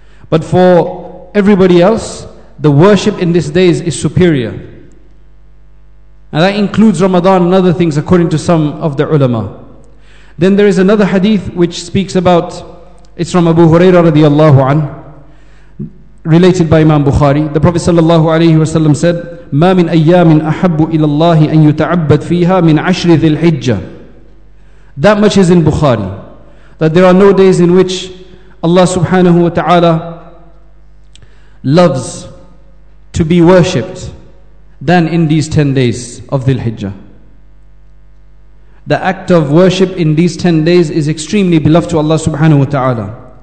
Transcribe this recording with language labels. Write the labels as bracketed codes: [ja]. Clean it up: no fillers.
[en] But for everybody else, the worship in these days is superior. And that includes Ramadan and other things according to some of the ulama. Then there is another hadith which speaks about, it's from Abu Hurairah radiallahu anhu, related by Imam Bukhari. The Prophet sallallahu alayhi wa sallam said, [ar] ما من أيام أحب إلى الله أن يتعبد فيها من عشر ذي الحجة. [en] That much is in Bukhari, that there are no days in which Allah subhanahu wa ta'ala loves to be worshipped than in these 10 days of Dhul-Hijjah. The act of worship in these 10 days is extremely beloved to Allah subhanahu wa ta'ala.